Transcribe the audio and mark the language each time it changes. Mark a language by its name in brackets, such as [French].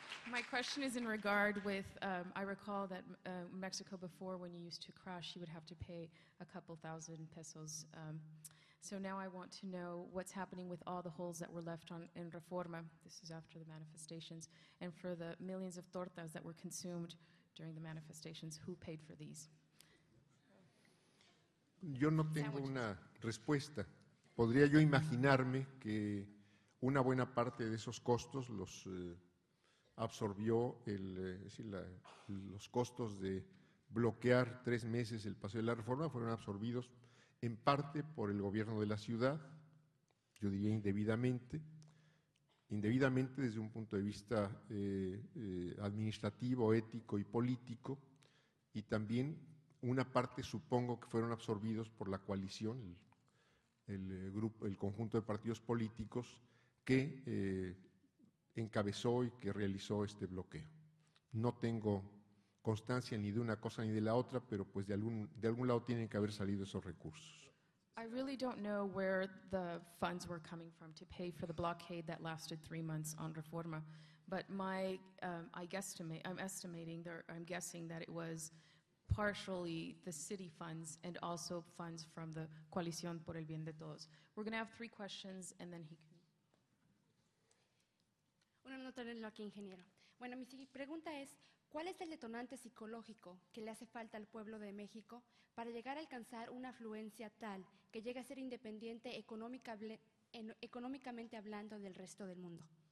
[English] My question is in regard with, I recall that Mexico before, when you used to crash, you would have to pay a couple thousand pesos. So now I want to know what's happening with all the holes that were left on in Reforma. This is after the manifestations. And for the millions of tortas that were consumed during the manifestations, who paid for these? [Spanish] Yo no tengo una respuesta. Podría yo imaginarme que una buena parte de esos costos los... absorbió el, los costos de bloquear tres meses el paseo de la Reforma, fueron absorbidos en parte por el gobierno de la ciudad, yo diría indebidamente desde un punto de vista administrativo, ético y político, y también una parte supongo que fueron absorbidos por la coalición, el grupo, el conjunto de partidos políticos que... encabezó y que realizó este bloqueo. No tengo constancia ni de una cosa ni de la otra, pero pues de algún lado tienen que haber salido esos recursos. [English] I really don't know where the funds were coming from to pay for the blockade that lasted 3 months on Reforma, but my I'm guessing that it was partially the city funds and also funds from the Coalición por el Bien de Todos. We're going to have three questions and then he can. [Spanish] Bueno, no tenerlo aquí, ingeniero. Bueno, mi pregunta es, ¿cuál es el detonante psicológico que le hace falta al pueblo de México para llegar a alcanzar una afluencia tal que llegue a ser independiente económicamente hablando del resto del mundo?